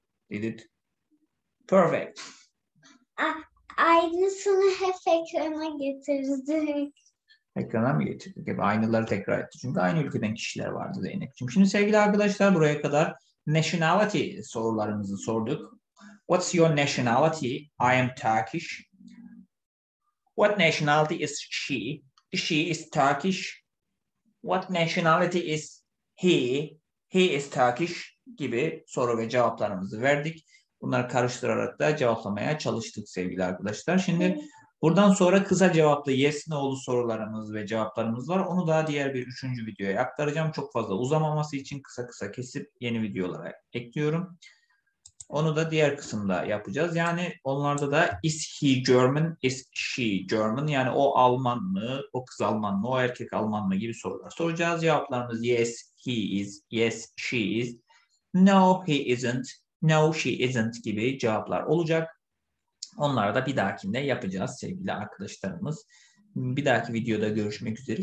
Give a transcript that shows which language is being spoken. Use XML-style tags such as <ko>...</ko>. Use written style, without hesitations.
<en>Did it perfect.</en> <tr>Aynısını hep ekrana getirdik. Ekrana mı getirdik? Aynıları tekrar etti. Çünkü aynı ülkeden kişiler vardı Zeynep'ciğim. Şimdi sevgili arkadaşlar, buraya kadar nationality sorularımızı sorduk.</tr> <en>What's your nationality? I am Turkish. What nationality is she? She is Turkish. What nationality is he? He is Turkish</en> <tr>gibi soru ve cevaplarımızı verdik. Bunları karıştırarak da cevaplamaya çalıştık sevgili arkadaşlar. Şimdi buradan sonra kısa cevaplı yes no'lu sorularımız ve cevaplarımız var. Onu daha diğer bir üçüncü videoya aktaracağım. Çok fazla uzamaması için kısa kısa kesip yeni videolara ekliyorum. Onu da diğer kısımda yapacağız. Yani onlarda da</tr> <en>is he German, is she German?</en> <tr>Yani o Alman mı, o kız Alman mı, o erkek Alman mı gibi sorular soracağız. Cevaplarımız</tr> <en>yes he is, yes she is, no he isn't, no she isn't</en> <tr>gibi cevaplar olacak. Onları da bir dahakinde yapacağız sevgili arkadaşlarımız. Bir dahaki videoda görüşmek üzere.</tr>